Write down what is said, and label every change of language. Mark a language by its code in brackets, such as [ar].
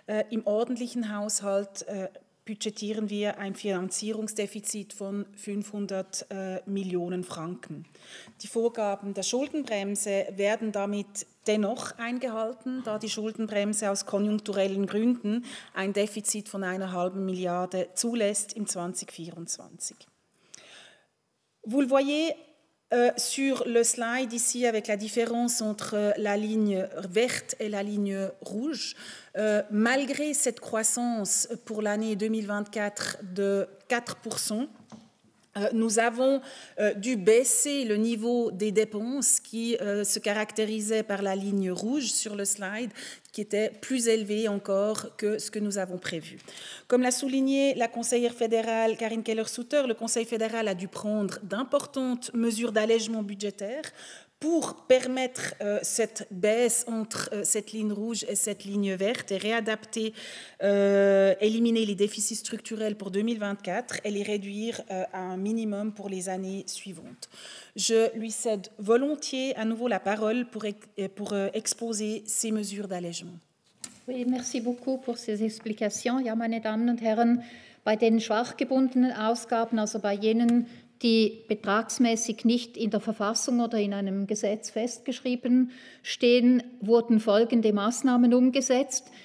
[de] Im ordentlichen Haushalt budgetieren wir ein Finanzierungsdefizit von 500 Millionen Franken. Die Vorgaben der Schuldenbremse werden damit dennoch eingehalten, da die Schuldenbremse aus konjunkturellen Gründen ein Defizit von 1,5 Milliarde zulässt im 2024. [fr] Vous le voyez sur le slide ici avec la différence entre la ligne verte et la ligne rouge. Malgré cette croissance pour l'année 2024 de 4%, nous avons dû baisser le niveau des dépenses qui se caractérisait par la ligne rouge sur le slide, qui était plus élevée encore que ce que nous avons prévu. Comme l'a souligné la conseillère fédérale Karine Keller-Sutter, le Conseil fédéral a dû prendre d'importantes mesures d'allègement budgétaire pour permettre cette baisse entre cette ligne rouge et cette ligne verte et réadapter, éliminer les déficits structurels pour 2024 et les réduire à un minimum pour les années suivantes. Je lui cède volontiers à nouveau la parole pour exposer ces mesures d'allègement. Oui, merci beaucoup pour ces explications. [de] Ja, meine Damen und Herren, bei den schwach gebundenen Ausgaben, also bei jenen, die betragsmäßig nicht in der Verfassung oder in einem Gesetz festgeschrieben stehen, wurden folgende Maßnahmen umgesetzt.